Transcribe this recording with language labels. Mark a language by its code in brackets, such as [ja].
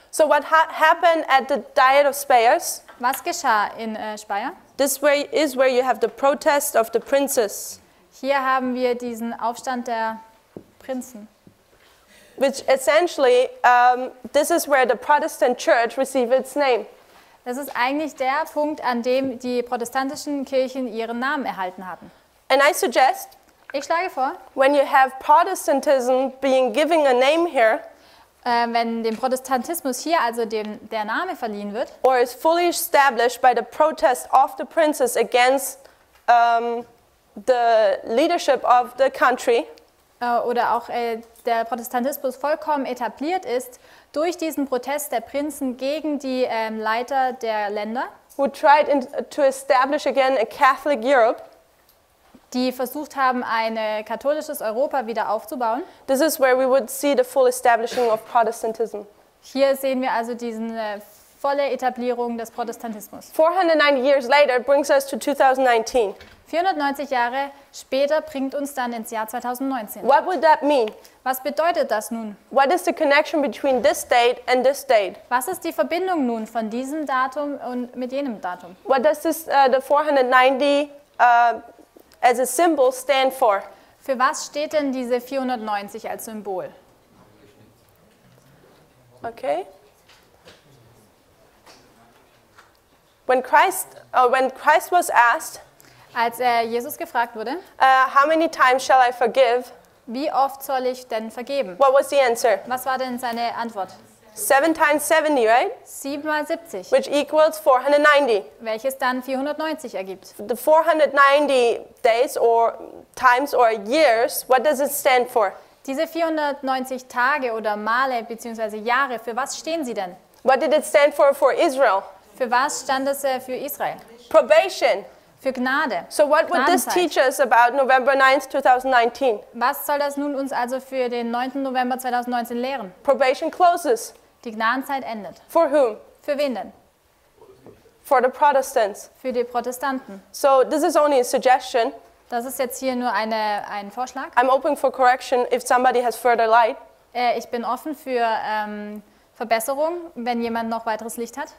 [en] So what happened at the Diet of Spires? [de] Was geschah in Speyer? [en] This way is where you have the protest of the princes. [de] Hier haben wir diesen Aufstand der Prinzen. [en] Which essentially, this is where the Protestant Church received its name. [de] Das ist eigentlich der Punkt, an dem die protestantischen Kirchen ihren Namen erhalten hatten. [en] And I suggest, [de] Ich schlage vor. [en] When you have Protestantism being given a name here. [de] Wenn dem Protestantismus hier also der Name verliehen wird. [en] Or is fully established by the protest of the princes against the leadership of the country. [de] Oder auch der Protestantismus vollkommen etabliert ist durch diesen Protest der Prinzen gegen die Leiter der Länder. [en] Who tried to establish again a Catholic Europe. [de] Die versucht haben, ein katholisches Europa wieder aufzubauen. [en] This is where we would see the full establishing of Protestantism. [de] Hier sehen wir also diese volle Etablierung des Protestantismus. [en] 490 years later brings us to 2019. [de] 490 Jahre später bringt uns dann ins Jahr 2019. [en] What would that mean? [de] Was bedeutet das nun? [en] What is the connection between this date and this date? [de] Was ist die Verbindung nun von diesem Datum und mit jenem Datum? [en] What does this the 490 as a symbol stand for? [de] Für was steht denn diese 490 als Symbol? [en] Okay. When Christ was asked, [de] als Jesus gefragt wurde, [en] how many times shall I forgive? [de] Wie oft soll ich denn vergeben? [en] What was the answer? [de] Was war denn seine Antwort? [en] 7 times 70, right? [de] 7 mal 70. [en] Which equals 490. [de] Welches dann 490 ergibt. [en] The 490 days or times or years, what does it stand for? [de] Diese 490 Tage oder Male bzw. Jahre, für was stehen sie denn? [en] What did it stand for Israel? [de] Für was stand es für Israel? [en] Probation. [de] Für Gnade. [en] So what would this teach us about November 9th, 2019? [de] Was soll das nun uns also für den 9. November 2019 lehren? [en] Probation closes. [de] Die Gnadenzeit endet. [en] For whom? [de] Für wen denn? [en] For the Protestants. [de] Für die Protestanten. [en] So this is only a suggestion. [de] Das ist jetzt hier nur ein Vorschlag. [en] I'm open for correction if somebody has further light. [de] Ich bin offen für Verbesserung, wenn jemand noch weiteres Licht hat.